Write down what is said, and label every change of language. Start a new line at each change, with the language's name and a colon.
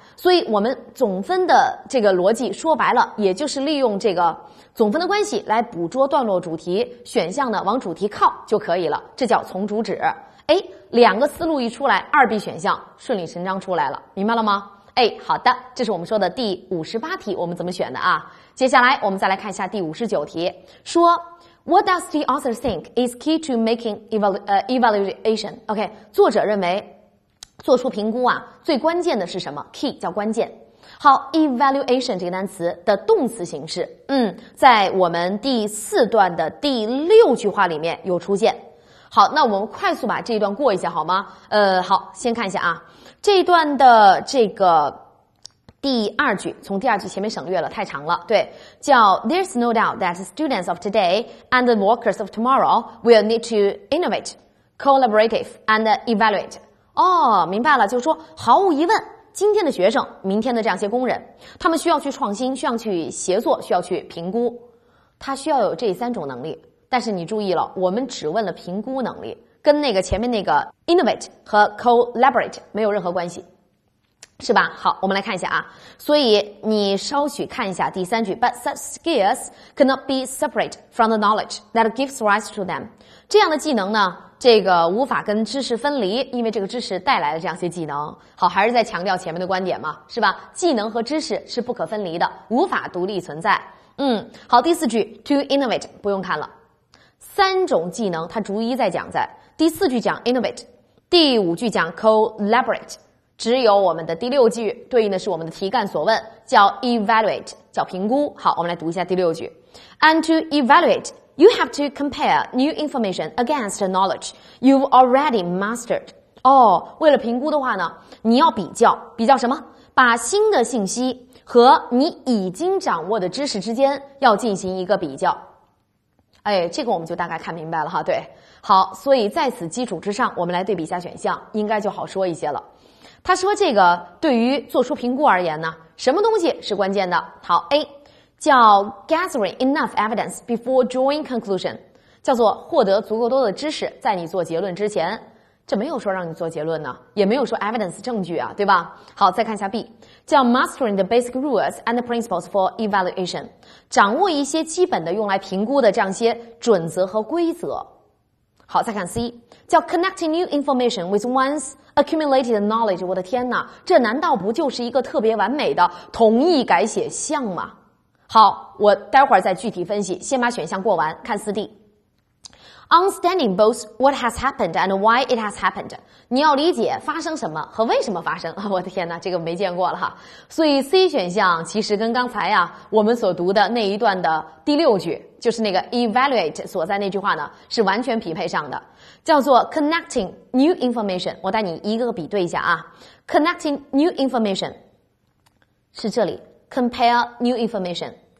Chinese: 所以我们总分的这个逻辑说白了，也就是利用这个总分的关系来捕捉段落主题选项呢，往主题靠就可以了，这叫从主旨。哎，两个思路一出来 ,2B 选项顺理成章出来了，明白了吗？哎，好的，这是我们说的第58题我们怎么选的啊。接下来我们再来看一下第59题，说
English: What does the author think is key to making evaluation?
Chinese: OK, 作者认为做出评估啊最关键的是什么？ Key 叫关键。好， evaluation 这个单词的动词形式，在我们第四段的第六句话里面有出现。好，那我们快速把这一段过一下好吗？好，先看一下啊，这一段的这个第二句，从第二句前面省略了，太长了。
English: 对，叫 There's no doubt that the students of today and the workers of tomorrow will need to innovate, collaborative and evaluate.
Chinese: 哦，明白了，就是说毫无疑问，今天的学生，明天的这样些工人，他们需要去创新，需要去协作，需要去评估，他需要有这三种能力。但是你注意了，我们只问了评估能力，跟那个前面那个 innovate 和 collaborate 没有任何关系，是吧？好，我们来看一下啊。所以你稍许看一下第三句，
English: but such skills cannot be separate from the knowledge that gives rise to them.
Chinese: 这样的技能呢，这个无法跟知识分离，因为这个知识带来了这样些技能。好，还是在强调前面的观点嘛，是吧？技能和知识是不可分离的，无法独立存在。嗯，好，第四句 to innovate 不用看了，三种技能它逐一在讲，在第四句讲 innovate， 第五句讲 collaborate， 只有我们的第六句对应的是我们的题干所问，叫 evaluate， 叫评估。好，我们来读一下第六句，
English: and to evaluateYou have to compare new information against the knowledge you've already mastered.
Chinese: 哦，为了评估的话呢，你要比较，比较什么？把新的信息和你已经掌握的知识之间要进行一个比较。哎，这个我们就大概看明白了哈。对，好，所以在此基础之上，我们来对比一下选项，应该就好说一些了。他说这个对于做出评估而言呢，什么东西是关键的？好 ，A。叫
English: gathering enough evidence before drawing conclusion，
Chinese: 叫做获得足够多的知识在你做结论之前。这没有说让你做结论呢，也没有说 evidence 证据啊，对吧？好，再看一下 B， 叫
English: mastering the basic rules and principles for evaluation，
Chinese: 掌握一些基本的用来评估的这样些准则和规则。好，再看
English: C， 叫 connecting new information with one's accumulated knowledge。
Chinese: 我的天哪，这难道不就是一个特别完美的同义改写项吗？好，我待会儿再具体分析，先把选项过完，看四 D。
English: Understanding both what has happened and why it has happened，
Chinese: 你要理解发生什么和为什么发生。我的天哪，这个没见过了哈。所以 C 选项其实跟刚才啊我们所读的那一段的第六句，就是那个 evaluate 所在那句话呢，是完全匹配上的，叫做
English: connecting new information。
Chinese: 我带你一个个比对一下啊，
English: connecting new information
Chinese: 是这里
English: compare new information。